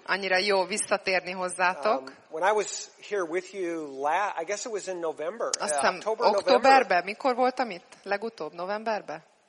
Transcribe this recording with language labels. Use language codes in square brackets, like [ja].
[hu] Annyira jó visszatérni hozzátok. [en] When I was here with you last, I guess it was in November. [hu] Októberben, mikor voltam itt? Legutóbb novemberben.